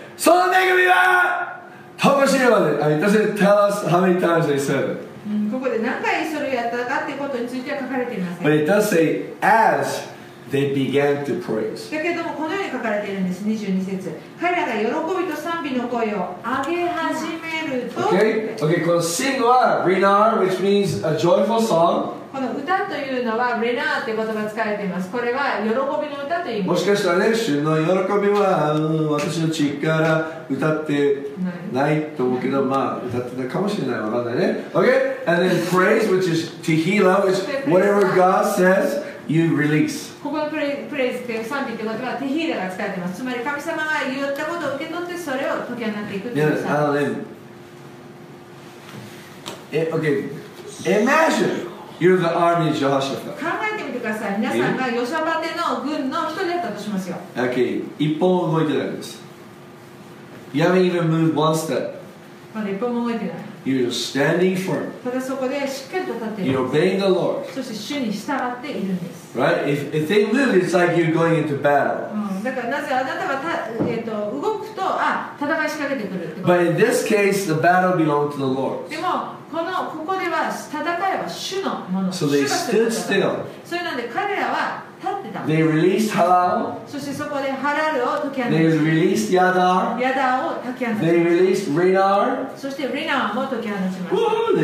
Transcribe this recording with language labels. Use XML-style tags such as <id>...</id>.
<ja>その恵みは、とこしえまで。</ja> <en>It doesn't tell us how many times they said it.</en> <ja>ここで何回それをやったかってことについては書かれていません。</ja> <en>But it does say, as,They began to praise.</en> <ja>だけどもこのように書かれているんです。22節、彼らが喜びと賛美の声を上げ始めると。</ja> <en>Okay, okay.</en> <ja>この</ja> <en>sing は renar, which means a joyful song.</en> <ja>この歌というのは renar って言葉が使われています。これは喜びの歌という意味。もしかしたらね、主の喜びは私の力歌ってないと思うけど、まあ歌ってないかもしれない、わかんないね。</ja> <en>Okay, and then praise, which is tehila, which whatever God says. You release.</en> <ja>ここのプレイスという賛美という言葉はテヒーラが使われています。つまり神様が言ったことを受け取ってそれを解き放っていくという賛美です。</ja> <en>Okay. Imagine you're the army of Jehoshaphat.</en> <ja>考えてみてください。皆さんがヨシャバテの軍の一人だったとしますよ。</ja> <en>Okay.</en> <ja>一歩も動いてないです。</ja> <en>You haven't even moved one step.</en> <ja>まだ一歩も動いてない。</ja> <en>You're standing firm.</en> <ja>ただそこでしっかりと立っている。</ja> <en>You're obeying the Lord.</en> <ja>そして主に従っているんです。</ja> <en>Right? If they move, it's like you're going into battle.</en> <ja>だからなぜあなたが動くと、あ、戦い仕掛けてくるってこと。</ja> <en>But in this case, the battle belonged to the Lord.</en> <ja>でもこのここでは戦いは主のもの。</ja> <en>So they stood still.</en> <ja>それなんで彼らは立ってた。</ja> <en>They released halal.</en> <ja>そしてそこでハラルを解き放</ja> <en>った。They released yadar.</en> <ja>ヤダを解き放った。</ja> <en>They released renar.</en> <ja>そしてリナーも解き放ちました</ja>